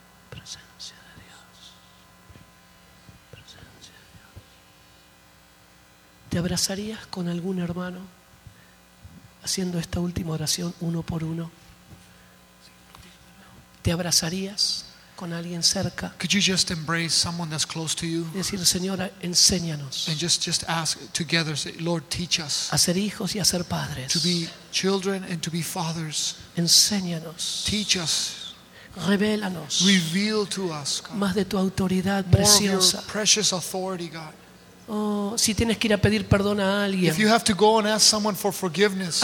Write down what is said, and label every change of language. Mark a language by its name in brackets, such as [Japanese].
[Spanish] presencia de Dios, presencia de Dios. ¿Te abrazarías con algún hermano haciendo esta última oración uno por uno? ¿Te abrazarías con alguien cerca? [English] Could you just embrace someone that's close to you? [Spanish] Decir, Señora, enséñanos. [English] And just ask together, say, Lord, teach us. [Spanish] A ser hijos y a ser padres. [English] To be children and to be fathers. [Spanish] Enséñanos. [English] Teach us. [Spanish] Revélanos. [English] Reveal to us, God. [Spanish] Más de tu autoridad preciosa. [English] More of your precious authority, God. [Spanish] Oh, si tienes que ir a pedir perdón a alguien. [English] If you have to go and ask someone for forgiveness.